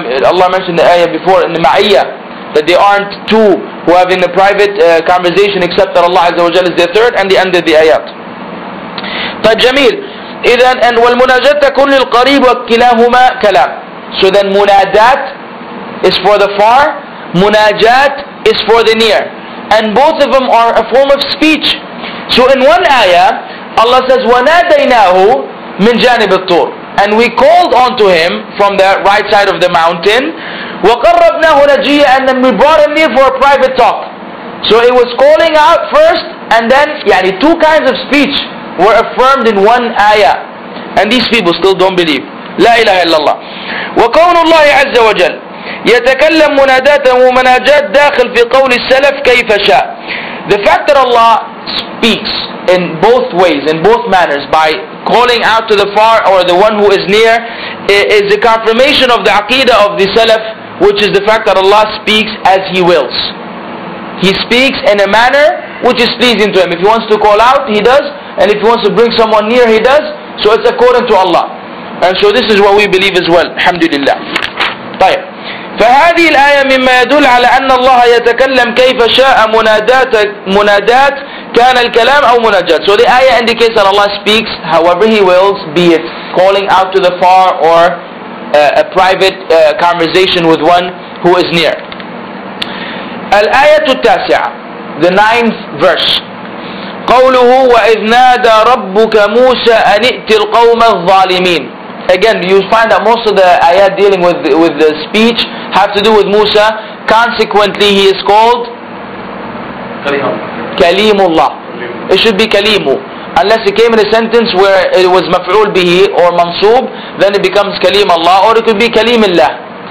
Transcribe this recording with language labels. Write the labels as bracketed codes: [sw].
[en] Allah mentioned the ayah before in the ma'iyah that they aren't two who have in a private conversation except that Allah Azza wa Jalla is their third, and the end of the ayat. [ar] فجميل. إذا أن والمناجاة تكون للقريب وكلاهما كلام. [en] So then munajat is for the far, munajat is for the near, and both of them are a form of speech. So in one ayah Allah says [ar] وناديناه من جانب الطور, [en] and we called onto him from the right side of the mountain. [ar] وقربناه نجيا, [en] and then we brought him near for a private talk. So it was calling out first, and then يعني two kinds of speech were affirmed in one ayah, and these people still don't believe. [ar] لا إله إلا الله. وكون الله عز وجل يتكلم مناداته ومناجات داخل في قول السلف كيف شاء. [en] The fact that Allah speaks in both ways, in both manners, by calling out to the far or the one who is near, is a confirmation of the aqidah of the salaf, which is the fact that Allah speaks as He wills. He speaks in a manner which is pleasing to Him. If He wants to call out, He does, and if He wants to bring someone near, He does. So it's according to Allah. And so this is what we believe as well. [ar] Alhamdulillah. طيب. فهذه الآية مما يدل على أن الله يتكلم كيف شاء منادات كان الكلام أو مناجات. [en] So the ayah indicates that Allah speaks however He wills, be it calling out to the far or a private conversation with one who is near. [ar] الآية التاسعة, [en] the ninth verse. [ar] قوله وإذ نادى ربك موسى أن ائت القوم الظالمين. [en] Again, you find that most of the ayat dealing with the speech have to do with Musa. Consequently, he is called كليم الله. It should be كليمه. Unless it came in a sentence where it was مفعول به or منصوب, then it becomes كليم الله, or it could be كليم الله.